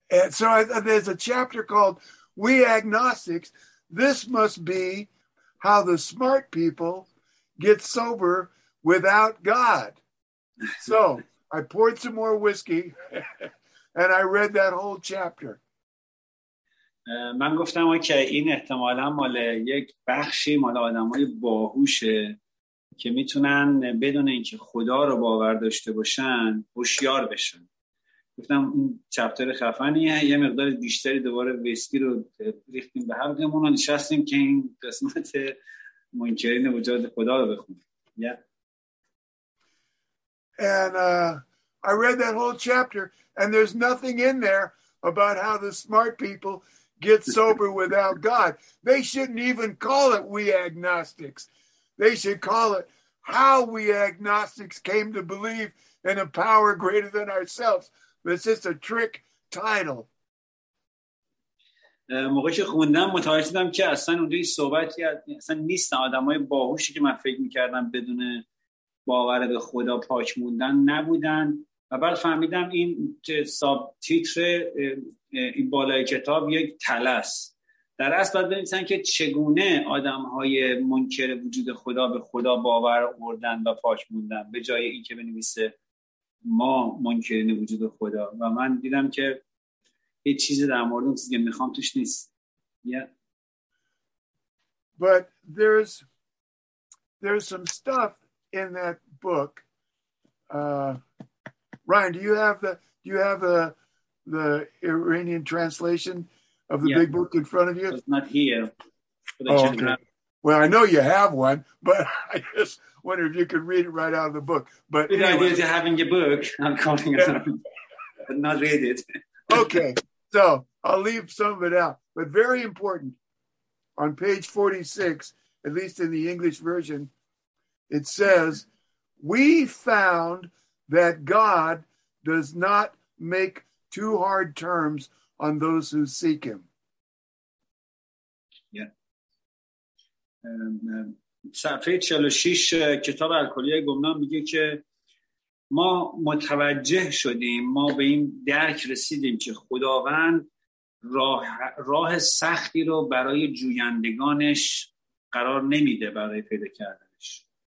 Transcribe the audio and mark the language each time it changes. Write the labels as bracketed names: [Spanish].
[English] So there's a chapter called We Agnostics This must be how the smart people get sober without God. So I poured some more whiskey and I read that whole chapter. [Persian] من گفتم که این احتمالا مال یک بخشی مال آدمای باهوشه که میتونن بدون اینکه خدا رو باور داشته باشن هوشیار بشن. گفتم این چپتر خفنیه یه مقدار بیشتری دوباره ویسکی رو ریختیم به هم دیمون رو نشستیم که این قسمت منکرین وجود خدا رو بخونیم [English] I read that whole chapter and there's nothing in there about how the smart people get sober without God they shouldn't even call it we agnostics they should call it how we agnostics came to believe in a power greater than ourselves It's just a trick title. [Persian] موقعی که خوندم متوجه شدم که اصلا اونجوری صحبتی اصلا نیست آدمای باهوشی که من فکر می‌کردم بدون باور به خدا پاک موندن نبودن و بعد فهمیدم این ساب تیتر این بالای کتاب یک تله است. در اصل باید ببینیم که چگونه آدم‌های منکر وجود خدا به خدا باور آوردن و پاک موندن به جای اینکه بنویسه ما منکرین وجود خدا و من دیدم که هیچ چیزی در مورد اون چیزی که میخوام توش نیست [English] But there's some stuff in that book Ryan do you have the Iranian translation of the big book in front of you it's not here Well, I know you have one, but I just wonder if you could read it right out of the book. But the anyway. Idea is you're having your book. I'm calling it, but not read it. Okay, so I'll leave some of it out. But very important, on page 46, at least in the English version, it says, we found that God does not make too hard terms on those who seek him. [Persian] صفحه 46 کتاب الکلیه گمنام میگه که ما متوجه شدیم ما به این درک رسیدیم که خداوند راه سختی رو برای جویندگانش قرار نمیده برای پیدا کردنش